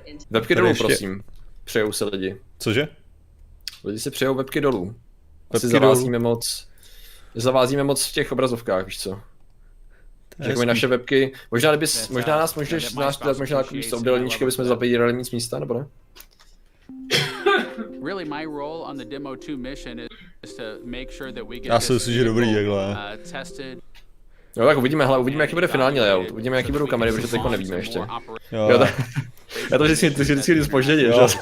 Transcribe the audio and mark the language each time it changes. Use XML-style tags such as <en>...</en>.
<cs>Webky dolů, prosím, přejou se lidi. Cože? Lidi si přejou webky dolů. Asi zavázíme moc. Zavázíme moc v těch obrazovkách, víš co? Jako mi naše webky, možná bys, možná nás můžeš nás dát možná takový místo obdelníčky, abychom zabírali nic místa, nebo ne?</cs> <en>Really my role on the demo 2 mission is to make sure that we get this.</en> <cs>Já si myslím, že dobrý, takhle. No tak uvidíme, jaký bude finální layout, uvidíme, jaký budou kamery, protože teďko nevíme ještě. Jo. Já to vždycky, jdu zpoždění, že?</cs>